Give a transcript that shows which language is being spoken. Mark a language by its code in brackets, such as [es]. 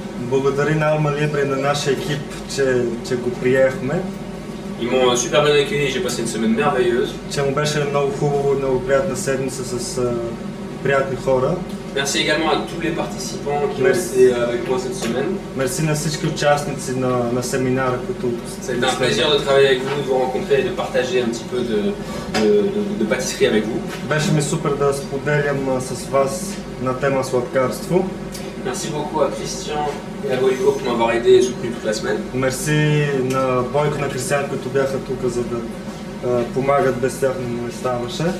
[bg] Благодаря на Alma Libre и на нашия екип, че го приехме. [fr] Ils m'ont super bien accueilli, j'ai passé une semaine merveilleuse. [bg] Че му беше много хубаво, много приятна седмица с приятни хора. [fr] Merci également à tous les participants qui ont été avec moi cette semaine. [bg] Merci на всички участници на семинара, които... [fr] C'est un plaisir de travailler avec vous, de vous rencontrer et de partager un petit peu de pâtisserie avec vous. [bg] Беше ми супер да споделям с вас на тема сладкарство. [fr] Merci beaucoup à Christian et à Boyko pour m'avoir aidé et soutenu toute la semaine. [bg] Merci на Boyko, на Christian, които бяха тук, за да помагат, без тях не ставаше.